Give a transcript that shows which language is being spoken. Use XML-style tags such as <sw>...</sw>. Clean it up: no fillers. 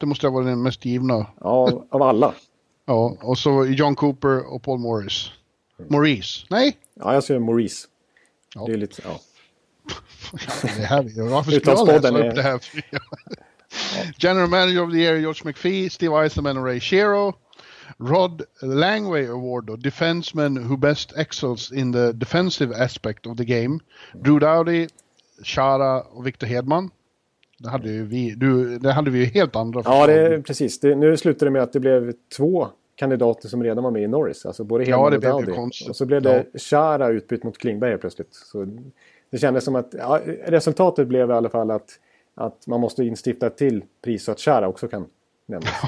<sv>Det måste ha varit den mest givna. Ja, av alla. Ja, och så John Cooper och Paul Morris. Maurice. Nej? Ja, jag säger Maurice. Ja. Det är lite... Ja. Det här, varför ska jag läsa upp det här?</sv> <en>General Manager of the Year George McPhee, Steve Eisenman och Ray Shero. Rod Langway Award, då, defenseman who best excels in the defensive aspect of the game.</en> <sv>Drew Doughty, Chara och Victor Hedman. Det hade vi, det hade vi ju helt andra förslag. Ja, det är precis. Nu slutade det med att det blev två kandidater som redan var med i Norris, alltså både Hedman och Doughty. Ja, det blev konstigt. Och så blev det Chara utbytt mot Klingberg plötsligt. Så det kändes som att resultatet blev i alla fall att man måste instifta till pris så att Chara också kan nämnas.</sv>